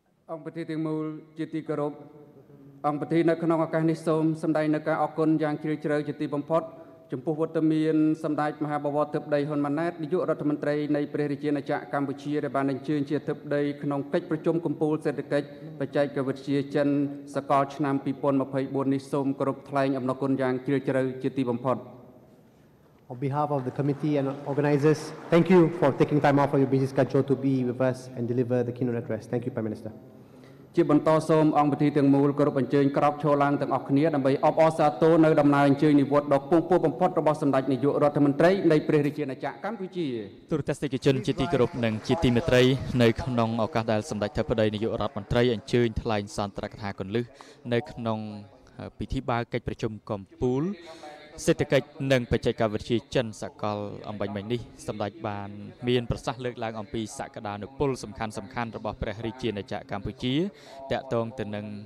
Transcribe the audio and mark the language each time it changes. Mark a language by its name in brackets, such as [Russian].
[Khmer] អង្គប្រធានទាំងមូលជាទីគោរពអង្គប្រធាននៅក្នុងឱកាសនេះសូមសម្ដែងនូវការអរគុណយ៉ាងជ្រាលជ្រៅជាទីបំផុតចំពោះវត្តមានសម្ដេចមហាបវរទិព្វដីហ៊ុនម៉ាណែតនាយករដ្ឋមន្ត្រីនៃព្រះរាជាណាចក្រកម្ពុជាដែលបានអញ្ជើញជាទិព្វដីក្នុងកិច្ចប្រជុំកំពូលសេដ្ឋកិច្ចបច្ចេកវិទ្យាចិនសកលឆ្នាំ2024នេះសូមគោរពថ្លែងអំណរគុណយ៉ាងជ្រាលជ្រៅជាទីបំផុត [English] On behalf of the committee and organizers, thank you for taking time off of your busy schedule to be with us and deliver the keynote address. Thank you, Prime Minister. [Khmer] ជាបន្តសូមអង្គប្រធានទាំងមូលគោរពអញ្ជើញក្រោកឈរឡើងទាំងអស់គ្នាដើម្បីអបអរសាទរនៅដំណើរអញ្ជើញនិវត្តន៍ដ៏ពងពួរបំផុតរបស់សម្ដេចនាយករដ្ឋមន្ត្រីនៃព្រះរាជាណាចក្រកម្ពុជា ទូរទស្សនិកជនជាទីគោរពនិងជាទីមេត្រីនៅក្នុងឱកាសដែលសម្ដេចថៅប្ដីនាយករដ្ឋមន្ត្រីអញ្ជើញថ្លែងសន្ទរកថាគន្លឹះនៅក្នុងពិធីបើកកិច្ចប្រជុំកំពូលសេដ្ឋកិច្ចនិងបច្ចេកវិទ្យាចិនសកលអំបញ្ញមិញនេះសម្ដេចបានមានប្រសាសន៍លើកឡើងអំពីសក្តានុពលសំខាន់ៗរបស់ព្រះរាជាណាចក្រកម្ពុជាតាក់ទងទៅនឹង